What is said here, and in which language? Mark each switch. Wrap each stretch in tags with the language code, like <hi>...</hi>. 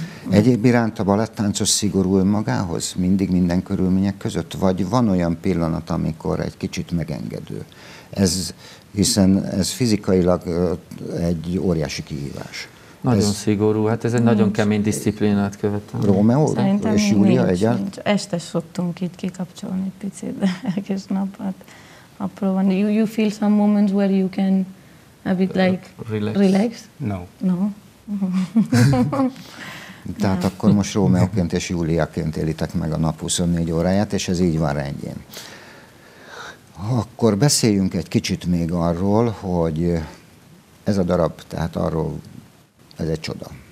<hu>Egyéb iránt a balettáncos szigorul magához mindig minden körülmények között, vagy van olyan pillanat, amikor egy kicsit megengedő? Hiszen ez fizikailag egy óriási kihívás. Nagyon szigorú, hát ez egy nagyon kemény disziplinát követem. Romeo és Júlia egyáltalán? Este szoktunk itt kikapcsolni egy picit, de egész nap, hát apró van.</hu> <en>You feel some moments where you can a bit like relax? No.</en> <hu>Tehát akkor most Romeoként és Júliaként élitek meg a nap 24 óráját, és ez így van rendjén. Akkor beszéljünk egy kicsit még arról, hogy ez a darab, tehát arról, ez egy csoda.</hu>